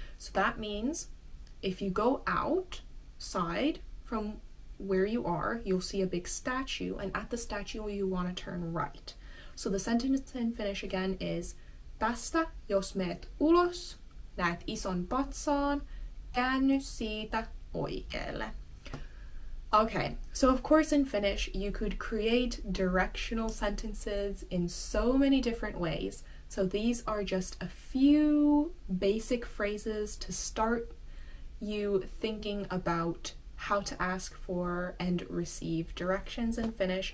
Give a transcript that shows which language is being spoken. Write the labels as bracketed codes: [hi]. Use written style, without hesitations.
[en] So that means, if you go outside from where you are, you'll see a big statue, and at the statue you want to turn right. So the sentence in Finnish again is [fi] tästä jos meet ulos, näet ison patsaan, käänny siitä oikealle. [en] Okay, so of course in Finnish you could create directional sentences in so many different ways. So these are just a few basic phrases to start you thinking about how to ask for and receive directions in Finnish.